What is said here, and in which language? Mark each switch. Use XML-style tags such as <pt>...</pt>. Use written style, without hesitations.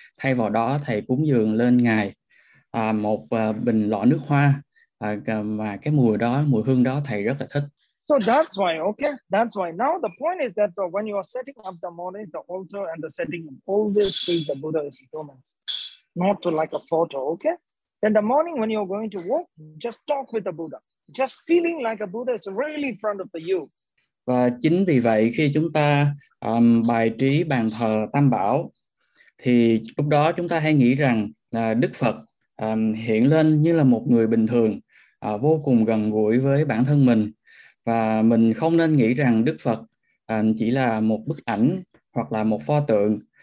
<vi>Thay vào đó thầy cúng dường lên ngài một bình lọ nước hoa, và cái mùi đó, mùi hương đó thầy rất là thích.</vi> <en>So that's why, okay? That's why. Now the point is that when you are setting up the morning, the altar and the setting, always treat the Buddha as a human, not to like a photo, okay? In the morning when you're going to walk, just talk with the Buddha. Just feeling like a Buddha is really in front of you.</en> <vi>Và chính vì vậy khi chúng ta bài trí bàn thờ Tam Bảo thì lúc đó chúng ta hãy nghĩ rằng Đức Phật hiện lên như là một người bình thường, vô cùng gần gũi với bản thân mình. Và mình không nên nghĩ rằng Đức Phật chỉ là một bức ảnh hoặc là một pho tượng.</vi>